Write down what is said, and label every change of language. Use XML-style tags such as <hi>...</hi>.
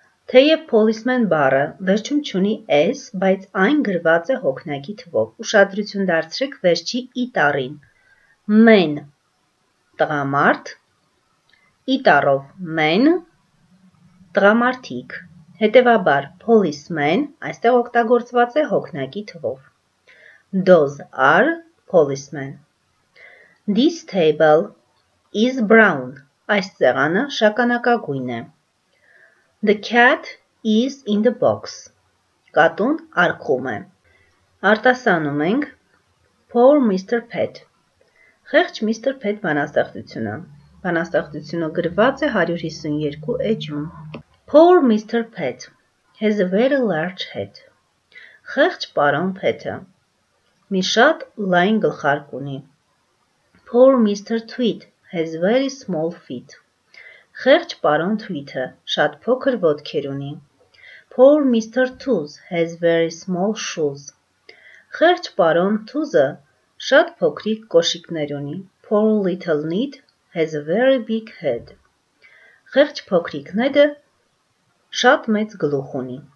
<hy>Թեև policemen բառը վերջում չունի s, բայց այն գրված է հոգնակի թվով. Ուշադրություն դարձրեք վերջի i տառին. Men տղամարդ, i տառով men տղամարդիկ. Հետևաբար policemen այստեղ օգտագործված է հոգնակի թվով.</hy> <en>Those are policemen. This table is brown.</en> <hy>Այս սեղանը շականակագույն է.</hy> <en>The cat is in the box.</en> <hy>Կատուն արկղում է. Արտասանում ենք</hy> <en>Poor Mr. Pet.</en> <hy>Խեղճ Mr. Pet բանաստեղծությունը. Բանաստեղծությունը գրված է 152 էջում.</hy> <en>Poor Mr. Pet has a very large head.</en> <hy>Խեղճ պարոն Pet-ը մի շատ լայն գլխարկ ունի.</hy> <en>Poor Mr. Tweet has very small feet.</en> <hy>Խեղճ պարոն Tweet-ը շատ փոքր ոտքեր ունի.</hy> <en>Poor Mr. Tooth has very small shoes.</en> <hy>Խեղճ պարոն Tooth-ը շատ փոքրիկ կոշիկներ ունի.</hy> <en>Poor little Ned has a very big head.</en> <hy>Խեղճ փոքրիկ Ned-ը շատ մեծ գլուխ ունի.</hy>